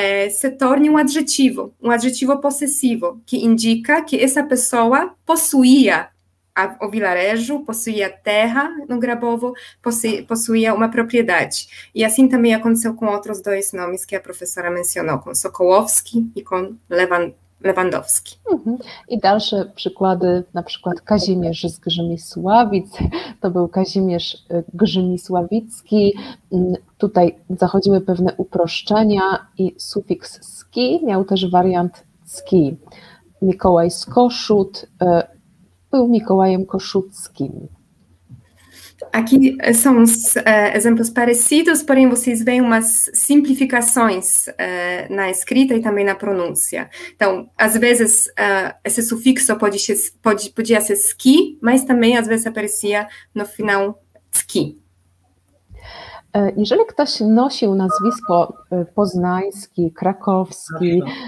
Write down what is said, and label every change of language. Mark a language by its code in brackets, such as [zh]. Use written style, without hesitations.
[pt] se torne um adjetivo possessivo, que indica que essa pessoa possuía o vilarejo, possuía terra no Grabowo, possuía uma propriedade. E assim também aconteceu com outros dois nomes que a professora mencionou, com Sokołowski e com Lewandowski. [pl] I dalsze przykłady, na przykład Kazimierz z Grzymisławic, to był Kazimierz Grzymisławicki. Tutaj zachodziły pewne uproszczenia i sufiks ski miał też wariant ski. Mikołaj z Koszut był Mikołajem Koszuckim. [pt] Aqui são exemplos parecidos, porém vocês veem umas simplificações na escrita e também na pronúncia. Então, às vezes, esse sufixo podia ser ski, mas também às vezes aparecia no final ski. [pl] Jeżeli ktoś nosił nazwisko poznański, krakowski...